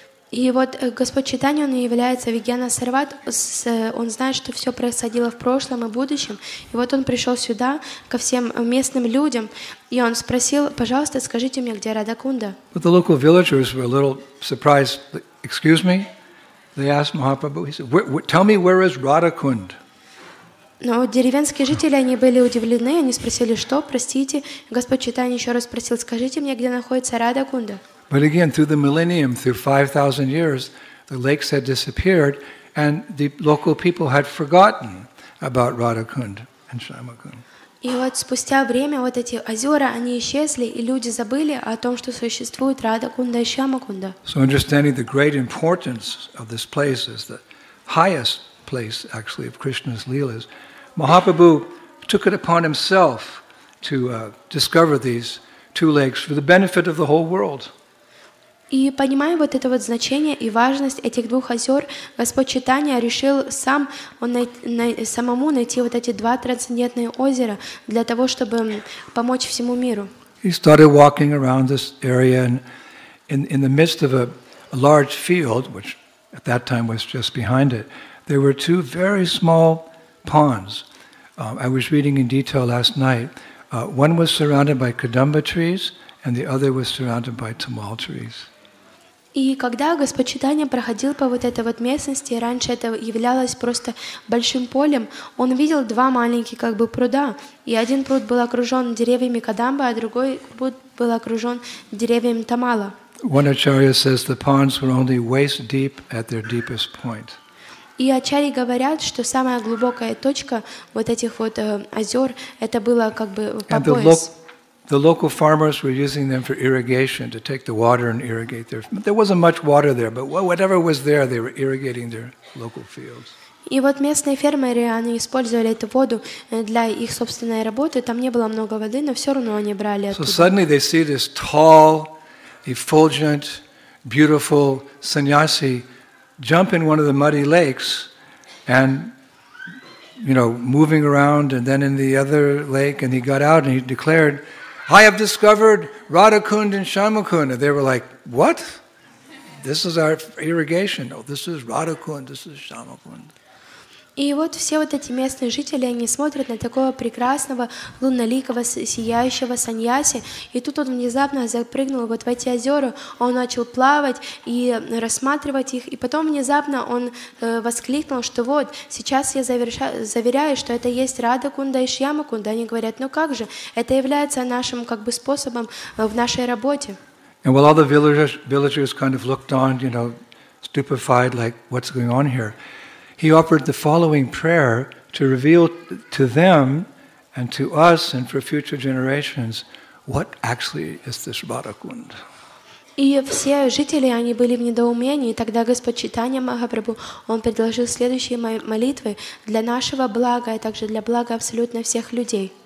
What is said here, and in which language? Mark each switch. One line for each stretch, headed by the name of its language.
Russian: И вот Господь Чайтанья, он является Вигьяна Сарват, он знает, что все происходило в прошлом и будущем. И вот он пришел сюда, ко всем местным людям, и он спросил, пожалуйста, скажите мне, где Радхакунда?
English: But the local villagers were a little surprised. Excuse me? They asked Mahaprabhu, he said, tell me where is Radhakund?
Russian: Но деревенские жители, они были удивлены, они спросили, что, простите. Господь Чайтанья еще раз спросил, скажите мне, где находится Радхакунда?
English: But again, through the millennium, through 5,000 years, the lakes had disappeared, and the local people had forgotten about Radhakund and Shyamakund.
Russian: И вот спустя время вот эти озера они исчезли, и люди забыли о том, что существует Радхакунда и Шьямакунда.
English: So understanding the great importance of this place as the highest place, actually, of Krishna's leelas, Mahaprabhu took it upon himself to discover these two lakes for the benefit of the whole world.
Russian: И понимая вот это вот значение и важность этих двух озер, Господь Чайтанья решил сам, он самому найти вот эти два трансцендентные озера для того, чтобы помочь всему миру.
English: He started walking around this area and in the midst of a large field, which at that time was just behind it, there were two very small ponds. I was reading in detail last night. One was surrounded by kadamba trees and the other was surrounded by tamal trees.
Russian: И когда Господь Чайтанья проходил по вот этой вот местности, раньше это являлось просто большим полем, он видел два маленьких как бы пруда, и один пруд был окружен деревьями кадамба, а другой пруд был окружен деревьями тамала.
English: One acharya says the ponds were only waist deep at their deepest point.
Russian: И ачарьи говорят, что самая глубокая точка вот этих вот озер это было как бы по пояс.
English: The local farmers were using them for irrigation, to take the water and irrigate their... There wasn't much water there, but whatever was there, they were irrigating their local fields.
Russian: И вот местные фермеры, они использовали эту воду для их собственной работы. Там не было много воды, но все равно они брали оттуда.
English: So suddenly they see this tall, effulgent, beautiful sannyasi jump in one of the muddy lakes and... You know, moving around and then in the other lake and he got out and he declared... I have discovered Radhakund and Shyamakund. And they were like, what? This is our irrigation. Oh, this is Radhakund, this is Shyamakund.
Russian: И вот все вот эти местные жители, они смотрят на такого прекрасного, луноликого, сияющего саньяси. И тут он внезапно запрыгнул вот в эти озера, он начал плавать и рассматривать их. И потом внезапно он воскликнул, что вот, сейчас я заверяю, что это есть Радхакунда и Шьямакунда. Они говорят, ну как же, это является нашим как бы способом в нашей работе.
English: And while all the villagers kind of looked on, you know, stupefied, like, what's going on here? He offered the following prayer to reveal to them and to us and for future generations what actually is this Radhakund.
Russian: И все жители, они были в недоумении, тогда Господь Чайтанья Махапрабху, он предложил следующие молитвы для нашего блага, а также для блага абсолютно всех людей.